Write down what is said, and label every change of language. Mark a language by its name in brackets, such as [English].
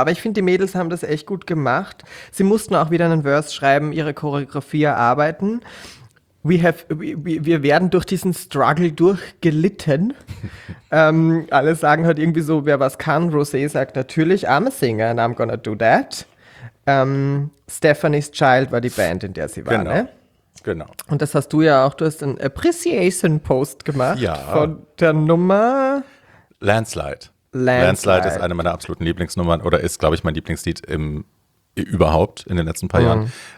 [German] Aber ich finde, die Mädels haben das echt gut gemacht. Sie mussten auch wieder einen Verse schreiben, ihre Choreografie erarbeiten. Wir werden durch diesen Struggle durchgelitten. alle sagen halt irgendwie so, wer was kann. Rosé sagt natürlich, [English] I'm a singer and I'm gonna do that. [German] Stephanie's Child war die Band, in der sie war, genau. Ne? Genau. Und das hast du ja auch, du hast einen Appreciation-Post gemacht von der Nummer Landslide. Landslide ist eine meiner absoluten Lieblingsnummern oder ist, glaube ich, mein Lieblingslied überhaupt in den letzten paar Jahren.